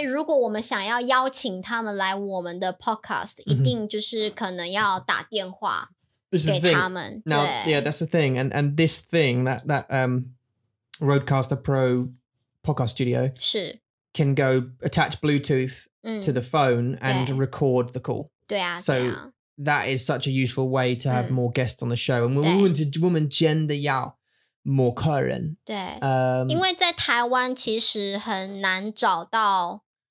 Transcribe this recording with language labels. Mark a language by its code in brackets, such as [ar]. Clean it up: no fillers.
[zh] 我们的客人，对啊，所以就是因为其实我们的朋友都是在国外，美国、马来西亚，还有很多不一样的国家，甚至英国。所以如果我们想要邀请他们来我们的 podcast, 一定就是可能要打电话给他们。对。 [en] Yeah, that's the thing, and this thing that Rodecaster Pro podcast studio [zh] 是。 [en] Can go attach Bluetooth to the phone and record the call. [zh] 对啊, [en] so that is such a useful way to have more guests on the show. And women gender yao more current. [zh] 对，因为在台湾其实很难找到。